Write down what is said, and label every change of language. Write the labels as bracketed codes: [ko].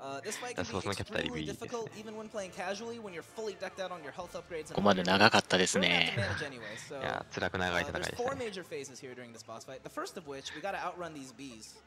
[en] This fight can be extremely difficult even when playing casually when you're fully decked out on your health upgrades. [ja] ここまで長かったですね。いや、辛く長い戦いでした。 [en] There's four major phases here during this boss fight. The first of which, we gotta outrun these bees.